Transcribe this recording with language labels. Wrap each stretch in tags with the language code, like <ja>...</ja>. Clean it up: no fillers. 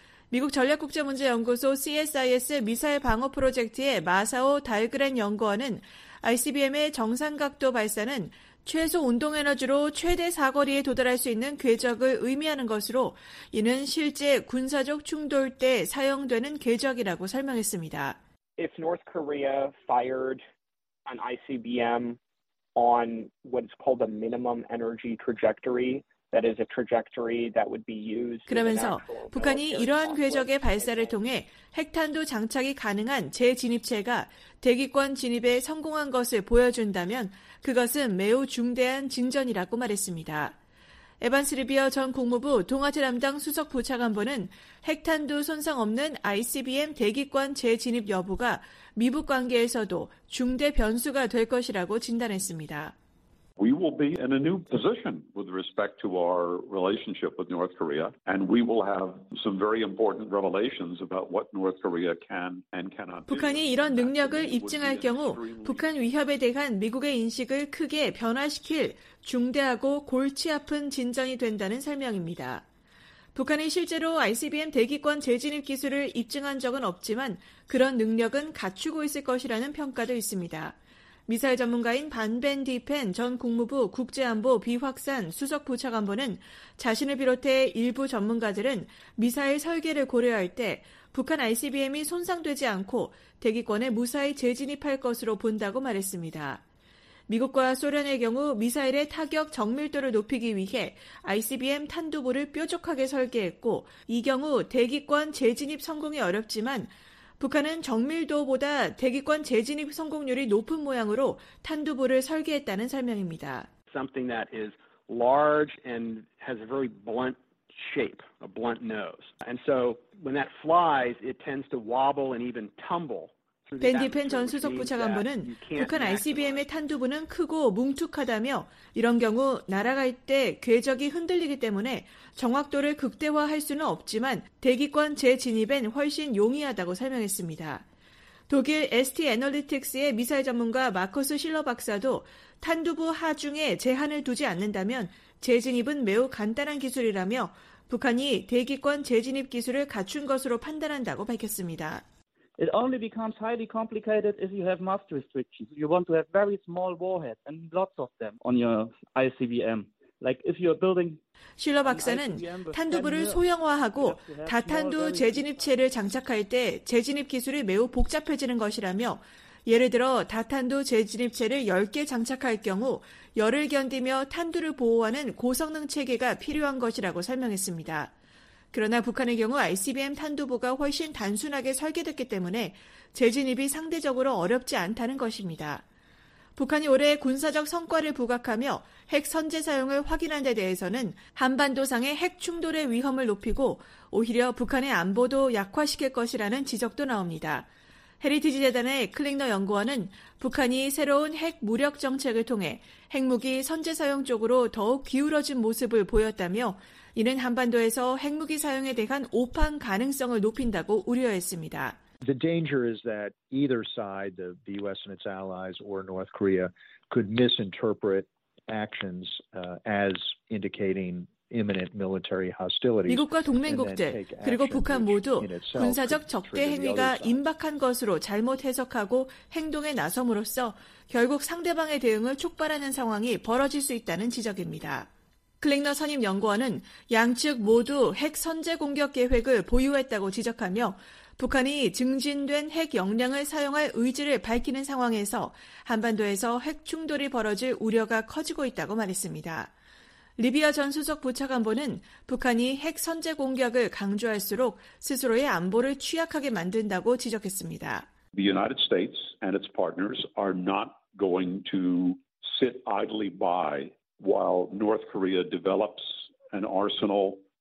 <ko>미국 전략국제문제연구소 CSIS 미사일 방어 프로젝트의 마사오 달그렌 연구원은 ICBM의 정상각도 발사는 최소 운동에너지로 최대 사거리에 도달할 수 있는 궤적을 의미하는 것으로 이는 실제 군사적 충돌 때 사용되는 궤적이라고 설명했습니다.</ko> <en>If North Korea fired an ICBM on what is called a minimum energy trajectory, that is a trajectory that would be used.</en> <ko>그러면서 북한이 이러한 궤적의 발사를 통해 핵탄두 장착이 가능한 재진입체가 대기권 진입에 성공한 것을 보여준다면 그것은 매우 중대한 진전이라고 말했습니다. 에반스 리비어 전 국무부 동아태 담당 수석 부차관보는 핵탄두 손상 없는 ICBM 대기권 재진입 여부가 미북 관계에서도 중대 변수가 될 것이라고 진단했습니다.</ko> <en>We will be in a new position with respect to our relationship with North Korea, and we will have some very important revelations about what North Korea can and cannot do.</en> <ko>북한이 이런 능력을 입증할 경우 북한 위협에 대한 미국의 인식을 크게 변화시킬 중대하고 골치 아픈 진전이 된다는 설명입니다. 북한이 실제로 ICBM 대기권 재진입 기술을 입증한 적은 없지만 그런 능력은 갖추고 있을 것이라는 평가도 있습니다. 미사일 전문가인 반벤 디펜 전 국무부 국제안보 비확산 수석 부차관보는 자신을 비롯해 일부 전문가들은 미사일 설계를 고려할 때 북한 ICBM이 손상되지 않고 대기권에 무사히 재진입할 것으로 본다고 말했습니다. 미국과 소련의 경우 미사일의 타격 정밀도를 높이기 위해 ICBM 탄두보를 뾰족하게 설계했고 이 경우 대기권 재진입 성공이 어렵지만 북한은 정밀도보다 대기권 재진입 성공률이 높은 모양으로 탄두보를 설계했다는 설명입니다.</ko> <en>Something that is large and has a very blunt shape, a blunt nose. And so when that flies, it tends to wobble and even tumble.</en> <ko>벤 디펜 전 수석부 차관보는 북한 ICBM의 탄두부는 크고 뭉툭하다며 이런 경우 날아갈 때 궤적이 흔들리기 때문에 정확도를 극대화할 수는 없지만 대기권 재진입엔 훨씬 용이하다고 설명했습니다. 독일 ST 애널리틱스의 미사일 전문가 마커스 실러 박사도 탄두부 하중에 제한을 두지 않는다면 재진입은 매우 간단한 기술이라며 북한이 대기권 재진입 기술을 갖춘 것으로 판단한다고 밝혔습니다.</ko> <en>It only becomes highly complicated if you have mass restrictions. You want to have very small warheads and lots of them on your ICBM. Like if you're building.</en> <ko>실러 박사는 탄두부를 소형화하고 다탄두 재진입체를 장착할 때 재진입 기술이 매우 복잡해지는 것이라며 예를 들어 다탄두 재진입체를 10개 장착할 경우 열을 견디며 탄두를 보호하는 고성능 체계가 필요한 것이라고 설명했습니다. 그러나 북한의 경우 ICBM 탄두보가 훨씬 단순하게 설계됐기 때문에 재진입이 상대적으로 어렵지 않다는 것입니다. 북한이 올해 군사적 성과를 부각하며 핵 선제 사용을 확인한 데 대해서는 한반도상의 핵 충돌의 위험을 높이고 오히려 북한의 안보도 약화시킬 것이라는 지적도 나옵니다. 헤리티지 재단의 클링너 연구원은 북한이 새로운 핵 무력 정책을 통해 핵무기 선제 사용 쪽으로 더욱 기울어진 모습을 보였다며 이는 한반도에서 핵무기 사용에 대한 오판 가능성을 높인다고 우려했습니다.</ko> <en>The danger is that either side, the US and its allies or North Korea, could misinterpret actions as indicating</en> <ko>미국과 동맹국들 그리고 북한 모두 군사적 적대 행위가 임박한 것으로 잘못 해석하고 행동에 나섬으로써 결국 상대방의 대응을 촉발하는 상황이 벌어질 수 있다는 지적입니다. 클링너 선임 연구원은 양측 모두 핵 선제 공격 계획을 보유했다고 지적하며 북한이 증진된 핵 역량을 사용할 의지를 밝히는 상황에서 한반도에서 핵 충돌이 벌어질 우려가 커지고 있다고 말했습니다. 리비아 전 수석 부차관보는 북한이 핵 선제 공격을 강조할수록 스스로의 안보를 취약하게 만든다고 지적했습니다.</ko> <en>The United States and its partners are not going to sit idly by while North Korea develops an arsenal.</en>